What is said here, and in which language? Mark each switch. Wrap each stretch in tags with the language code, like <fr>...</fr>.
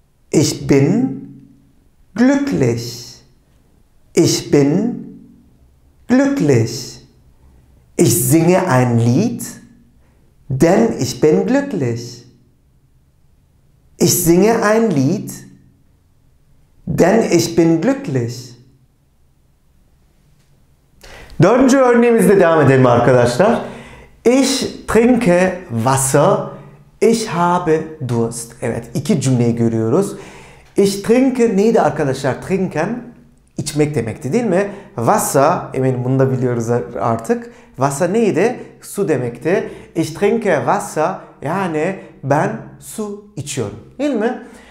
<de>Ich bin glücklich. Ich bin glücklich. Ich singe ein Lied, denn ich bin glücklich. Ich singe ein Lied, denn ich bin glücklich.</de> <tr>Dördüncü örneğimizle devam edelim arkadaşlar.</tr> <de>Ich trinke Wasser, ich habe Durst.</de> <tr>Evet, iki cümleyi görüyoruz.</tr> <de>Ich trinke</de> <tr>neydi arkadaşlar? Trinken, içmek demekti değil mi? Wasser, eminim bunu da biliyoruz artık. Wasser neydi? Su demekti.</tr> <de>Ich trinke Wasser,</de> <tr>yani ben su içiyorum. Değil mi?</tr>